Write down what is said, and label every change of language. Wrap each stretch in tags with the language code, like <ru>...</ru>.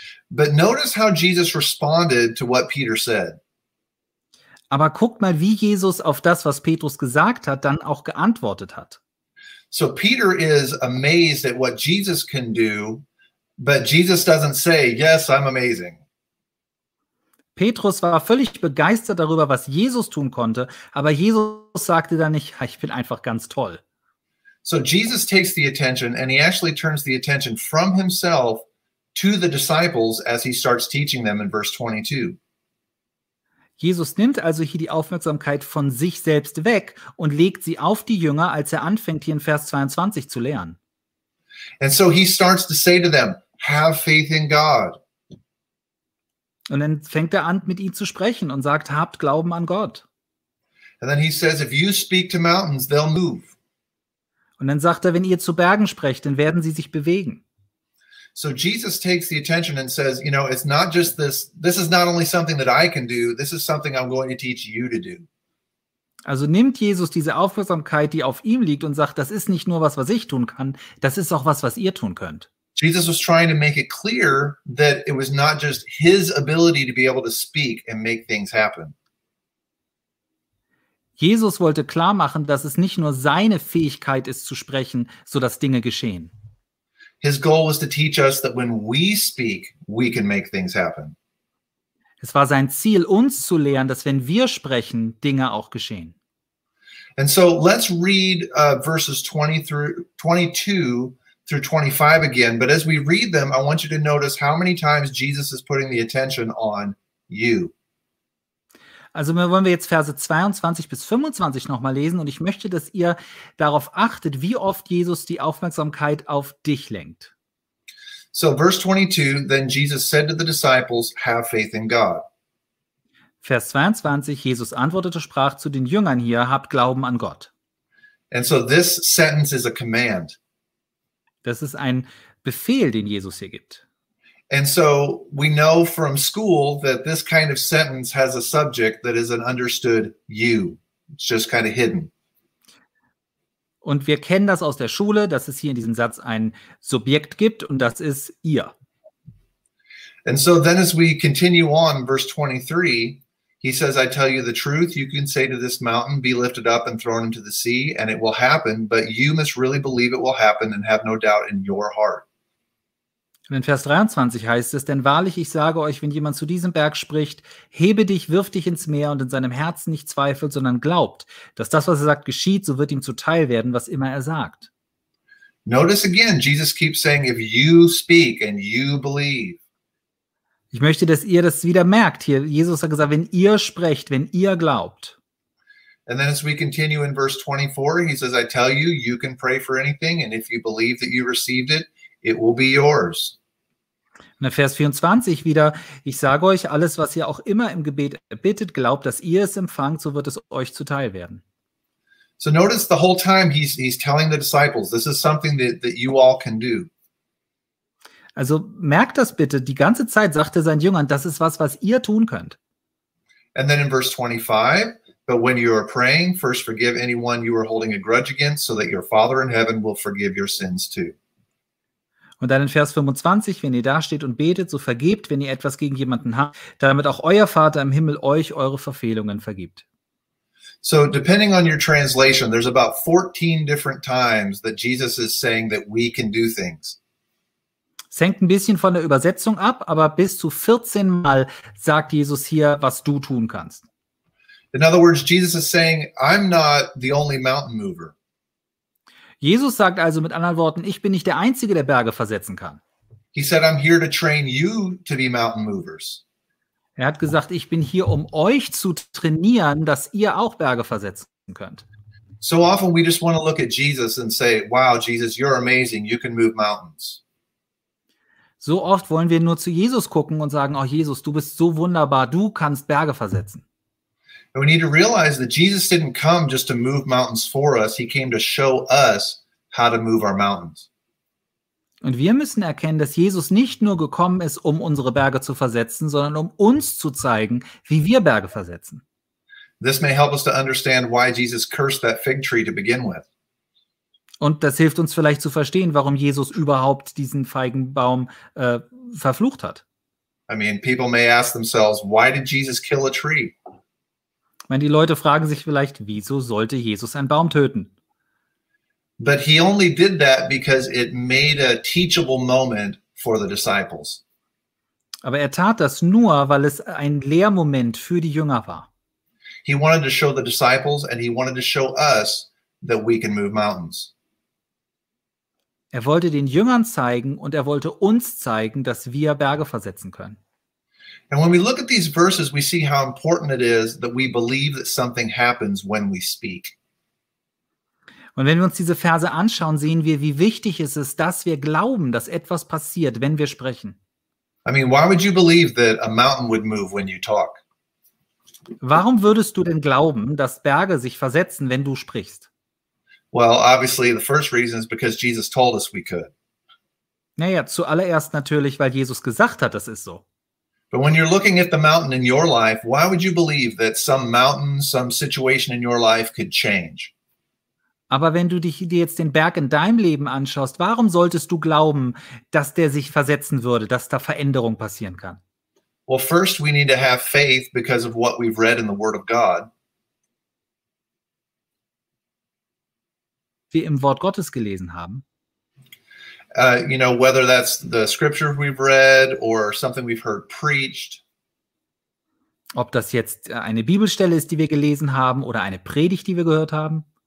<en>But notice how Jesus responded to what Peter said.</en> <de>Aber guck mal, wie Jesus auf das, was Petrus gesagt hat, dann auch geantwortet hat.</de> <en>So Peter is amazed at what Jesus can do, but Jesus doesn't say, yes, I'm amazing.</en> <de>Petrus war völlig begeistert darüber, was Jesus tun konnte, aber Jesus sagte dann nicht, ich bin einfach ganz toll.</de> <en>So Jesus takes the attention and he actually turns the attention from himself to the disciples as he starts teaching them in verse 22.</en> <de>Jesus nimmt also hier die Aufmerksamkeit von sich selbst weg und legt sie auf die Jünger, als er anfängt hier in Vers 22 zu lehren.</de> <en>And so he starts to say to them, have faith in God.</en> <de>Und dann fängt er an mit ihnen zu sprechen und sagt, habt Glauben an Gott.</de> <en>And then he says, if you speak to mountains, they'll move.</en> <de>Und dann sagt er, wenn ihr zu Bergen sprecht, dann werden sie sich bewegen.</de> <en>So Jesus takes the attention and says, you know, it's not just this, this is not only something that I can do, this is something I'm going to teach you to do.</en> <de>Also nimmt Jesus diese Aufmerksamkeit, die auf ihm liegt und sagt, das ist nicht nur was, was ich tun kann, das ist auch was, was ihr tun könnt.</de> <en>Jesus was trying to make it clear that it was not just his ability to be able to speak and make things happen.</en> <de>Jesus wollte klar machen, dass es nicht nur seine Fähigkeit ist zu sprechen, so dass Dinge geschehen.</de> <en>His goal was to teach us that when we speak, we can make things happen.</en> <de>Es war sein Ziel, uns zu lehren, dass wenn wir sprechen, Dinge auch geschehen.</de> <en>And so let's read verses 22 through 25 again. But as we read them, I want you to notice how many times Jesus is putting the attention on you.</en> <de>Also wollen wir jetzt Verse 22 bis 25 nochmal lesen und ich möchte, dass ihr darauf achtet, wie oft Jesus die Aufmerksamkeit auf dich lenkt.</de> <en>So verse 22, then Jesus said to the disciples, have faith in God.</en> <de>Vers 22, Jesus antwortete, sprach zu den Jüngern hier, habt Glauben an Gott.</de> <en>And so this sentence is a command.</en> <de>Das ist ein Befehl, den Jesus hier gibt.</de> <en>And so we know from school that this kind of sentence has a subject that is an understood you. It's just kind of hidden.</en> <de>Und wir kennen das aus der Schule, dass es hier in diesem Satz ein Subjekt gibt und das ist ihr.</de> <en>And so then as we continue on, verse 23, He says, I tell you the truth. You can say to this mountain, be lifted up and thrown into the sea, and it will happen, but you must really believe it will happen and have no doubt in your heart.</en> <de>Und in Vers 23 heißt es, denn wahrlich, ich sage euch, wenn jemand zu diesem Berg spricht, hebe dich, wirf dich ins Meer und in seinem Herzen nicht zweifelt, sondern glaubt, dass das, was er sagt, geschieht, so wird ihm zuteil werden, was immer er sagt.</de> <en>Notice again, Jesus keeps saying, if you speak and you believe.</en> <de>Ich möchte, dass ihr das wieder merkt hier. Jesus hat gesagt, wenn ihr sprecht, wenn ihr glaubt.</de> <en>And then as we continue in verse 24, he says, I tell you, you can pray for anything, and if you believe that you received it, it will be yours.</en> <de>Und in Vers 24 wieder, ich sage euch, alles, was ihr auch immer im Gebet erbittet, glaubt, dass ihr es empfangt, so wird es euch zuteil werden.</de> <en>So notice the whole time he's telling the disciples, this is something that you all can do.</en> <de>Also merkt das bitte, die ganze Zeit sagt er seinen Jüngern, das ist was, was ihr tun könnt.</de> <en>And then in verse 25, but when you are praying, first forgive anyone you are holding a grudge against, so that your Father in heaven will forgive your sins too.</en> <de>Und dann in Vers 25, wenn ihr dasteht und betet, so vergebt, wenn ihr etwas gegen jemanden habt, damit auch euer Vater im Himmel euch eure Verfehlungen vergibt.</de> <en>So depending on your translation, there's about 14 different times that Jesus is saying that we can do things.</en> <de>Es hängt ein bisschen von der Übersetzung ab, aber bis zu 14 Mal sagt Jesus hier, was du tun kannst.</de> <en>In other words, Jesus is saying, I'm not the only mountain mover.</en> <de>Jesus sagt also mit anderen Worten, ich bin nicht der Einzige, der Berge versetzen kann.</de> <en>He said, I'm here to train you to be mountain movers.</en> <de>Er hat gesagt, ich bin hier, um euch zu trainieren, dass ihr auch Berge versetzen könnt.</de> <en>So often we just want to look at Jesus and say, wow, Jesus, you're amazing, you can move mountains.</en> <de>So oft wollen wir nur zu Jesus gucken und sagen, oh Jesus, du bist so wunderbar, du kannst Berge versetzen.</de> <en>And we need to realize that Jesus didn't come just to move mountains for us, he came to show us how to move our mountains.</en> <de>Und wir müssen erkennen, dass Jesus nicht nur gekommen ist, um unsere Berge zu versetzen, sondern um uns zu zeigen, wie wir Berge versetzen.</de> <en>This may help us to understand why Jesus cursed that fig tree to begin with.</en> <de>Und das hilft uns vielleicht zu verstehen, warum Jesus überhaupt diesen Feigenbaum verflucht hat.</de> <en>I mean, people may ask themselves, why did Jesus kill a tree?</en> <de>Ich meine, die Leute fragen sich vielleicht, wieso sollte Jesus einen Baum töten?</de> <en>But he only did that because it made a teachable moment for the disciples.</en> <de>Aber er tat das nur, weil es ein Lehrmoment für die Jünger war.</de> <en>He wanted to show the disciples and he wanted to show us that we can move mountains.</en> <de>Er wollte den Jüngern zeigen und er wollte uns zeigen, dass wir Berge versetzen können.</de> <en>And when we look at these verses, we see how important it is that we believe that something happens when we speak.</en> <de>Und wenn wir uns diese Verse anschauen, sehen wir, wie wichtig es ist, dass wir glauben, dass etwas passiert, wenn wir sprechen.</de> <en>I mean, why would you believe that a mountain would move when you talk?</en> <de>Warum würdest du denn glauben, dass Berge sich versetzen, wenn du sprichst?</de> <en>Well, obviously, the first reason is because Jesus told us we could.</en> <de>Naja, zuallererst natürlich, weil Jesus gesagt hat, das ist so.</de> <en>But when you're looking at the mountain in your life, why would you believe that some mountain, some situation in your life could change?</en> <de>Aber wenn du dir jetzt den Berg in deinem Leben anschaust, warum solltest du glauben, dass der sich versetzen würde, dass da Veränderung passieren kann?</de> <en>Well, first we need to have faith because of what we've read in the Word of God.</en> <de>Wir im Wort Gottes gelesen haben.</de> <en>You know, whether that's the scripture we've read or something we've heard preached.</en> <de>Ob das jetzt eine Bibelstelle ist, die wir gelesen haben oder eine Predigt, die wir gehört haben.</de>